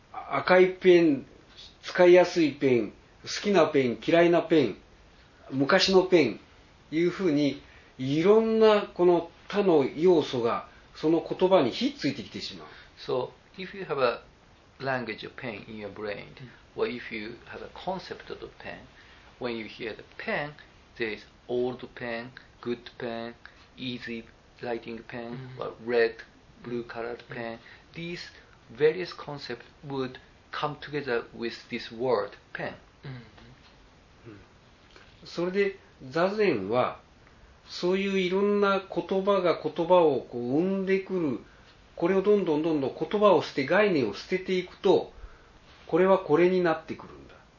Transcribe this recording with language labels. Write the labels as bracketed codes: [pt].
[ja] 赤いペン、使いやすいペン、好きなペン、嫌いなペン、昔のペン、いうふうにいろんなこの他の要素がその言葉にひっついてきてしまう。 [en] So, if you have a language of pen in your brain, or if you have a concept of the pen, when you hear the pen, there is old pen, good pen, easy writing pen, or red, blue colored pen. These various concepts would come together with this word, pen. [ja] それで座禅はそういういろんな言葉が言葉をこう生んでくる、これをどんどんどんどん言葉を捨て、概念を捨てていくと、これはこれになってくるんだ。